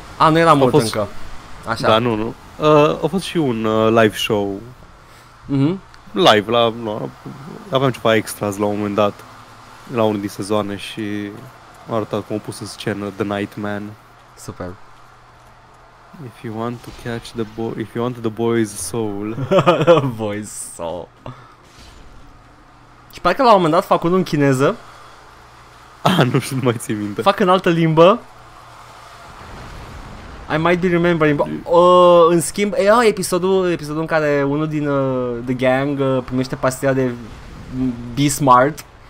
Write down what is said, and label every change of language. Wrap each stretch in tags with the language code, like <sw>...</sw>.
<ro>Nu era mult încă. Așa. Da, nu. A fost și un live show. Live, aveam ceva extras la un moment dat. La unul din sezoane și m-a arătat cum a pus în scenă The Nightman. Super.</ro> <en>If you want to catch the boy, if you want the boy's soul. Boy's soul.</en> <ro>Și parcă la un moment dat fac unul în chineză. Nu știu, nu mai țin minte. Fac în altă limbă.</ro> <en>I might be remembering,</en> <ro>în schimb, episodul în care unul din The Gang primește pastila de Be Smart.</ro>